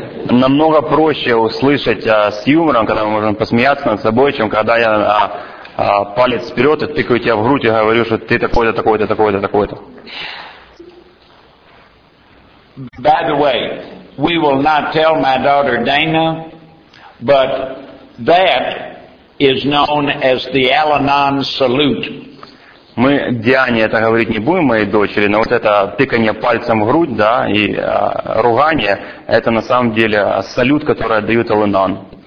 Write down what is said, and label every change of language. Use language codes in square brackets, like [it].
[ru] Намного проще услышать с юмором, когда мы можем посмеяться над собой, чем когда я палец вперед и тыкаю тебя в грудь и говорю, что ты такой-то, такой-то, такой-то, такой-то. [en] By the way, we will not tell my daughter Dana, but that is known as the Al-Anon salute. [ru] Мы Диане это говорить не будем, моей дочери, но вот это тыкание пальцем в грудь, да, и ругание, это на самом деле салют, который отдают Al-Anon.